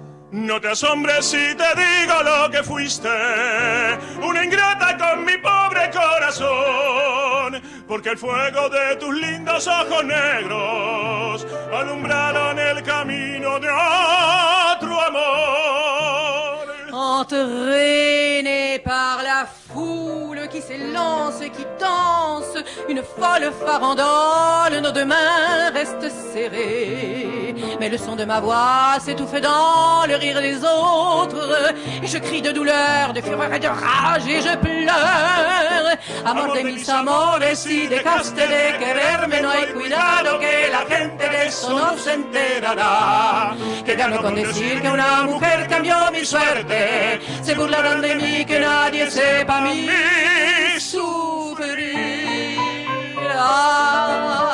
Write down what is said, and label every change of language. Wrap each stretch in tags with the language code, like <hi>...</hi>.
<es>No te asombres si te digo lo que fuiste, una ingrata con mi pobre corazón, porque el fuego de tus lindos ojos negros alumbraron el camino de otro amor.</es> <fr>Entraîné par la foule qui s'élance et qui danse, une folle farandole, nos deux mains restent serrées. Mais le son de ma voix s'étouffe dans le rire des autres. Et je crie de douleur, de fureur et de rage, et je pleure.</fr> <es>Amor de mis amores, si dejaste de quererme, no hay cuidado que la gente de eso no se enterará. Que gano con decir que una mujer cambió mi suerte. Se burlarán de mí, que nadie sepa mi sufrir.</es>